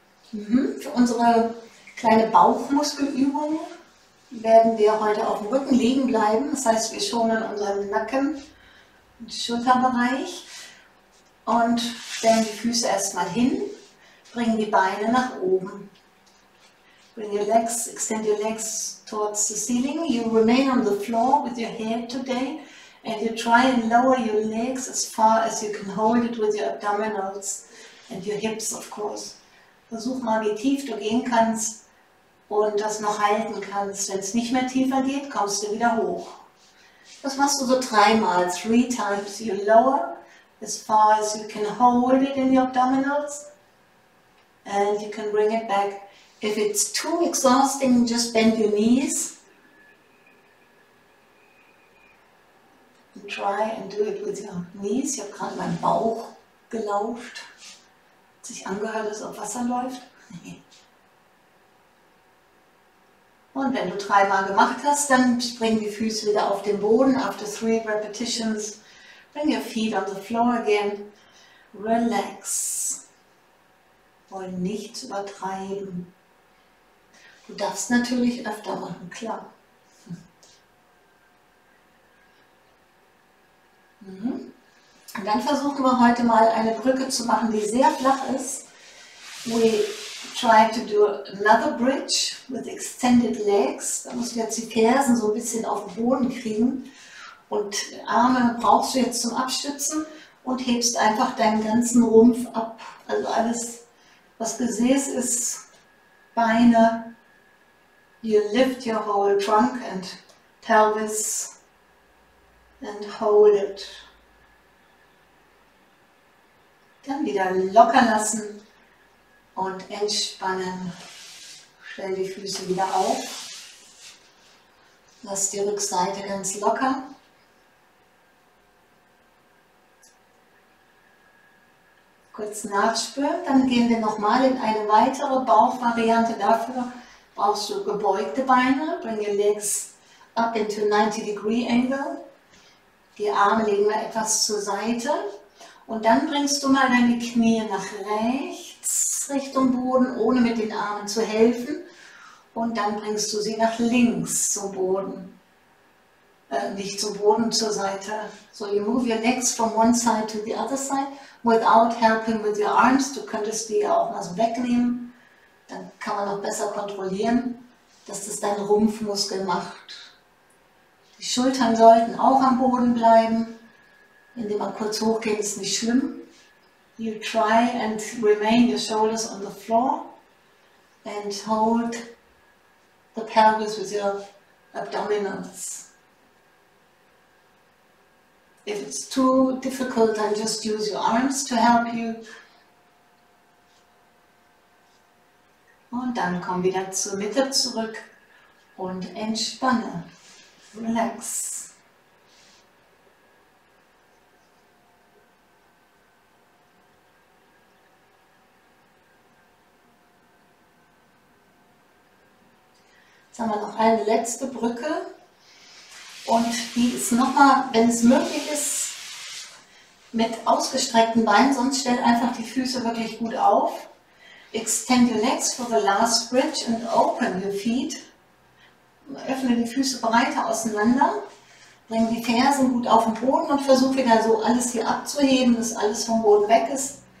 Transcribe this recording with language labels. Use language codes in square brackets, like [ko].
[de] Für unsere kleine Bauchmuskelübung werden wir heute auf dem Rücken liegen bleiben. Das heißt, wir schonen unseren Nacken und Schulterbereich und stellen die Füße erstmal hin, bringen die Beine nach oben. [en] Bring your legs, extend your legs towards the ceiling. You remain on the floor with your head today and you try and lower your legs as far as you can hold it with your abdominals and your hips, of course. [de] Versuch mal, wie tief du gehen kannst und das noch halten kannst. Wenn es nicht mehr tiefer geht, kommst du wieder hoch. Das machst du so dreimal. [en] Three times you lower, as far as you can hold it in your abdominals. And you can bring it back. If it's too exhausting, just bend your knees. try and do it with your knees. [de] Ich habe gerade meinen Bauch gelauscht. Hat sich angehört, als ob Wasser läuft. Und wenn du dreimal gemacht hast, dann spring die Füße wieder auf den Boden. [en] After 3 repetitions, bring your feet on the floor again. [de] Relax. Wollen nichts übertreiben. Du darfst natürlich öfter machen, klar. Und dann versuchen wir heute mal eine Brücke zu machen, die sehr flach ist. [en] We try to do another bridge with extended legs. [de] Da musst du jetzt die Fersen so ein bisschen auf den Boden kriegen. Und Arme brauchst du jetzt zum Abstützen und hebst einfach deinen ganzen Rumpf ab. Also alles, was Gesäß ist, Beine. [en] You lift your whole trunk and pelvis and hold it. [de] Dann wieder locker lassen und entspannen. Stell die Füße wieder auf. Lass die Rückseite ganz locker. Kurz nachspüren. Dann gehen wir nochmal in eine weitere Bauchvariante. Dafür brauchst du gebeugte Beine. [en] Bring your legs up into 90 degree angle. [de] Die Arme legen wir etwas zur Seite. Und dann bringst du mal deine Knie nach rechts Richtung Boden, ohne mit den Armen zu helfen. Und dann bringst du sie nach links zum Boden. Nicht zum Boden, zur Seite. [en] So, you move your legs from one side to the other side without helping with your arms. [de] Du könntest die ja auch mal so wegnehmen. Dann kann man noch besser kontrollieren, dass das dein Rumpfmuskel macht. Die Schultern sollten auch am Boden bleiben. Indem man kurz hochgeht, ist nicht schlimm. [en] You try and remain your shoulders on the floor and hold the pelvis with your abdominals. If it's too difficult, then just use your arms to help you. [de] Und dann komm wieder zur Mitte zurück und entspanne. Relax. Haben wir noch eine letzte Brücke und die ist nochmal, wenn es möglich ist, mit ausgestreckten Beinen, sonst stell einfach die Füße wirklich gut auf. [en] Extend your legs for the last bridge and open your feet. [de] Öffne die Füße breiter auseinander, bring die Fersen gut auf den Boden und versuche wieder so alles hier abzuheben, dass alles vom Boden weg ist.